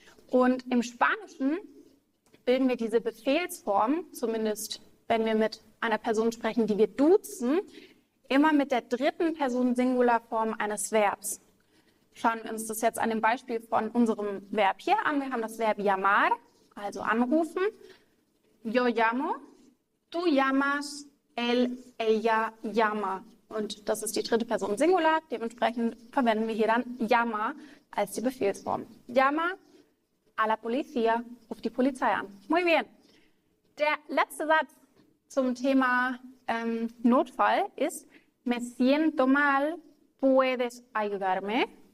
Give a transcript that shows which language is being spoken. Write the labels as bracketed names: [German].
[German] Und im Spanischen bilden wir diese Befehlsform, zumindest wenn wir mit einer Person sprechen, die wir duzen, immer mit der dritten Person Singularform eines Verbs. Schauen wir uns das jetzt an dem Beispiel von unserem Verb hier an. Wir haben das Verb llamar, also anrufen. [Spanish] Yo llamo, tú llamas, él, ella llama. [German] Und das ist die dritte Person Singular. Dementsprechend verwenden wir hier dann llama als die Befehlsform. [Spanish] Llama a la policía, [German] ruft die Polizei an. Muy bien. Der letzte Satz zum Thema Notfall ist: [Spanish] Me siento mal, puedes ayudarme?